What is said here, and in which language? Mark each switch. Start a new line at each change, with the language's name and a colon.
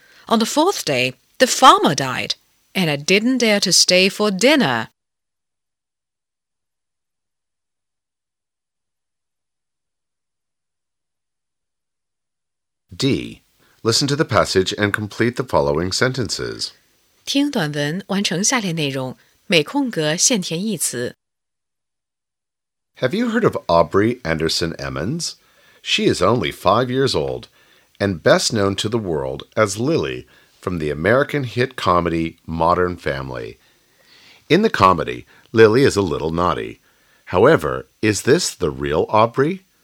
English: On the fourth day, the farmer died, and I didn't dare to stay for dinner. D. Listen to the passage and complete the following sentences.
Chinese: 听短文，完成下列内容，每空格限填一词。
English: Have you heard of Aubrey Anderson Emmons? She is only 5 years old. And best known to the world as Lily from the American hit comedy Modern Family. In the comedy, Lily is a little naughty. However, is this the real Aubrey?